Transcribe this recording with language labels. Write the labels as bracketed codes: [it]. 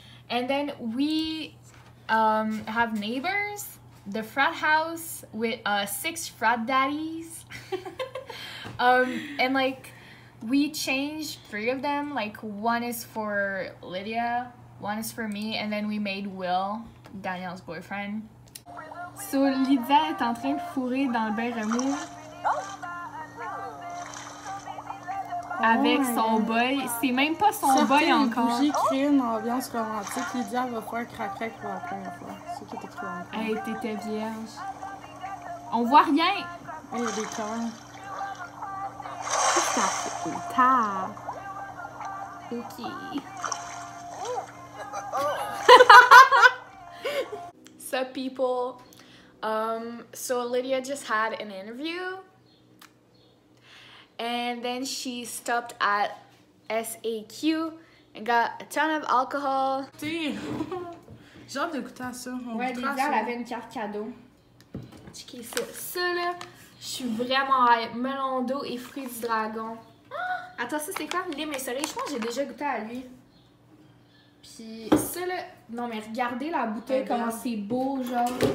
[en] And then we have neighbors. The frat house with 6 frat daddies. And like we changed 3 of them. Like one is for Lydia, one is for me, and then we made Will, Danielle's boyfriend. [fr] So Lydia est en train de fourrer dans le bain remous. Oh, avec son boy. C'est même pas son certains boy encore. Certaines bougies créent une ambiance romantique. Lydia va faire crac-crac pour la première fois. C'est tout est trop important. Hey, t'étais vierge. On voit rien! Hey, il y a des cœurs. Ça fait une tarte. Ok. [en] So, people. So, Lydia just had an interview. And then she stopped at SAQ and got a ton of alcohol. [fr] Tiens, j'ai hâte de goûter à ça. Ouais, Lydia, elle avait une carte cadeau. Checker ça. Ça, là, je suis vraiment hype. Melon d'eau et fruits du dragon. Attends, ça c'est quoi? Lait mes cerises. Je pense que j'ai déjà goûté à lui. Puis ça là. Non mais regardez la bouteille, comment c'est beau, genre.